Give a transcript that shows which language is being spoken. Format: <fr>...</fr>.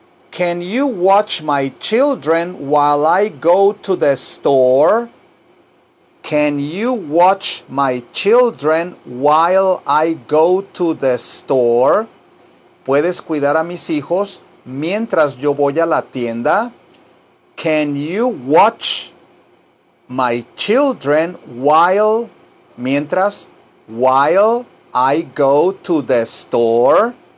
<en>Can you watch my children while I go to the store? Can you watch my children while I go to the store?</en> <es>¿Puedes cuidar a mis hijos mientras yo voy a la tienda?</es> <en>Can you watch my children while, mientras, while I go to the store?</en>